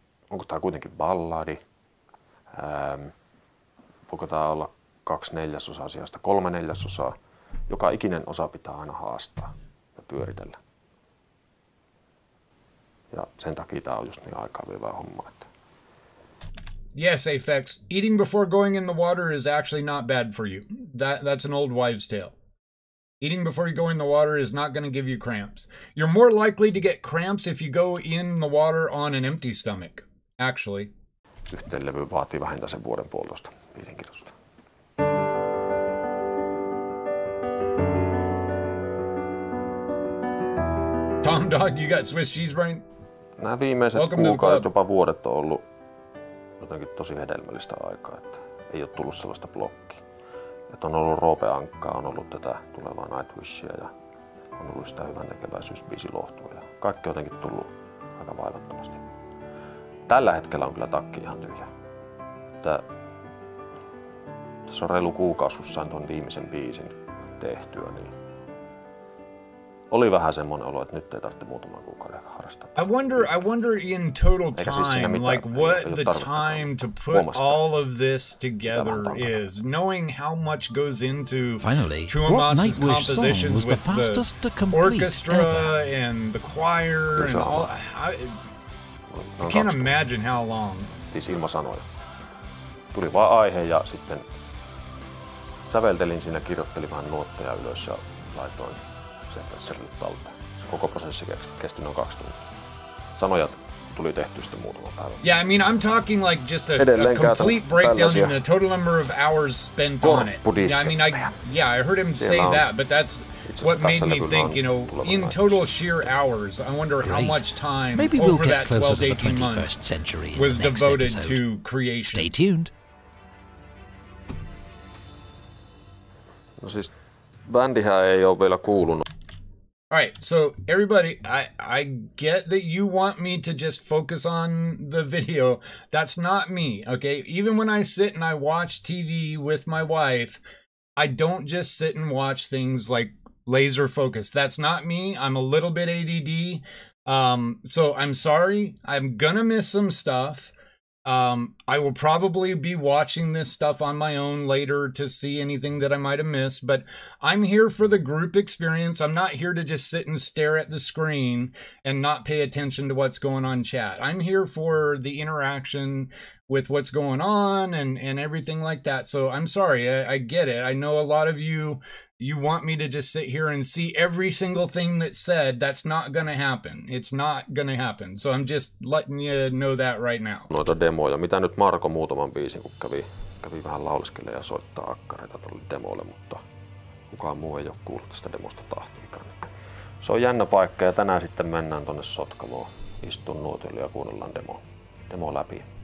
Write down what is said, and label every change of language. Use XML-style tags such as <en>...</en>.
<fi>Onko tämä kuitenkin balladi? Voiko tämä olla 2/4 sijasta 3/4? Joka ikinen osa pitää aina haastaa ja pyöritellä. Ja sen takia tämä on just niin aikaavivaa homma.</fi> <en>Yes, Apex, eating before going in the water is actually not bad for you. That's an old wives tale. Eating before you go in the water is not going to give you cramps. You're more likely to get cramps if you go in the water on an empty stomach, actually.</en> <fi>Yhteen levy vaatii vähintään sen vuoden puolitoista. Mielenkiintoista.</fi> <en>Tom Dog, you got Swiss cheese brain?</en> <fi>Nämä viimeiset kuukaudet, jopa vuodet on ollut jotenkin tosi hedelmällistä aikaa, että ei ole tullut sellaista blokkia. Että on ollut Roope Ankkaa, on ollut tätä tulevaa Nightwishia ja on ollut sitä hyvän tekeväisyysbiisi lohtua ja kaikki on jotenkin tullut aika vaivattomasti. Tällä hetkellä on kyllä takki ihan tyhjä. Että Tässä on reilu kuukausi, kun sain tuon viimeisen biisin tehtyä, niin oli vähän semmoinen olo, että nyt ei tarvitse muutaman kuukauden harrastaa.</fi> <en>I wonder in total time, like what the time to put all of this together is, knowing how much goes into Tuomas's compositions with the orchestra and the choir and all. I can't imagine how long.</en> <fi>Siis ilmasanoja. Tuli vaan aihe ja sitten säveltelin siinä, kirjoittelin vähän nuotteja ylös ja laitoin sen pensselille talteen. Koko prosessi kesti noin 2 tuntia. Sanoja tuli tehty sitten muutama päivä.</fi> <en>Yeah, I mean, I'm talking like just a complete breakdown in the total number of hours spent on it. Yeah, I mean, I heard him say that, but that's what made me think, you know, in total sheer hours, I wonder how much time over that 12 to 18 months was devoted to creation. Stay tuned.</en> <fi>No siis, bändihän ei ole vielä kuulunut.</fi> <en>All right, so everybody, I get that you want me to just focus on the video. That's not me, okay? Even when I sit and I watch TV with my wife, I don't just sit and watch things like laser focus. That's not me. I'm a little bit ADD. So I'm sorry. I'm gonna miss some stuff. I will probably be watching this stuff on my own later to see anything that I might have missed, but I'm here for the group experience. I'm not here to just sit and stare at the screen and not pay attention to what's going on chat. I'm here for the interaction with what's going on and everything like that. So I'm sorry. I get it. I know a lot of you want me to just sit here and see every single thing that's said. That's not going to happen. It's not going to happen. So I'm just letting you know that right now.</en> <fi>Noita demoja. Mitä nyt Marko muutaman biisin, kun kävi vähän lauliskelle ja soittaa akkareita tuolle demolle, mutta kukaan muu ei ole kuullut tästä demosta tahtiikaan. Se on jännä paikka ja tänään sitten mennään tuonne Sotkamoon. Istun nuotiolle ja kuunnellaan demo läpi.</fi>